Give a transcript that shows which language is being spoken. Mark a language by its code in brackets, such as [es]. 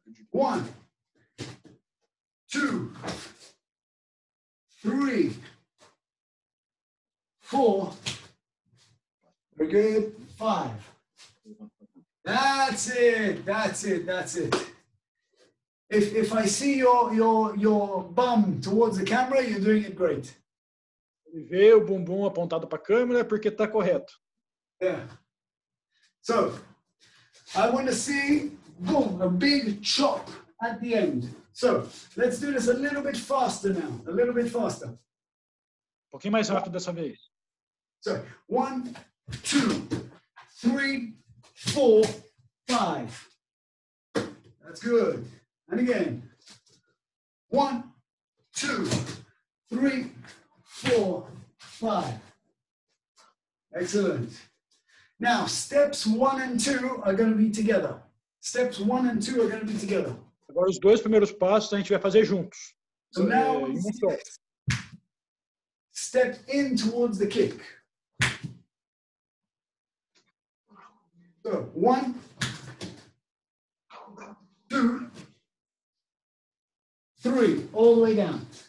[en] One, two, three, four, very good, five. That's it. If I see your bum towards the camera, you're doing it great. [pt] Ele vê o bumbum apontado para a câmera porque está correto. [en] Yeah. So, I want to see, boom, a big chop at the end. So, let's do this a little bit faster now. A little bit faster. [pt] Um pouquinho mais rápido dessa vez. [en] So, one, two, three, four, five. That's good. And again, one, two, three, four, five. Excellent. Now, steps one and two are going to be together. Steps one and two are going to be together. [pt] Agora, os dois primeiros passos a gente vai fazer juntos. [en] So now, step in towards the kick. So, one, two, three, all the way down.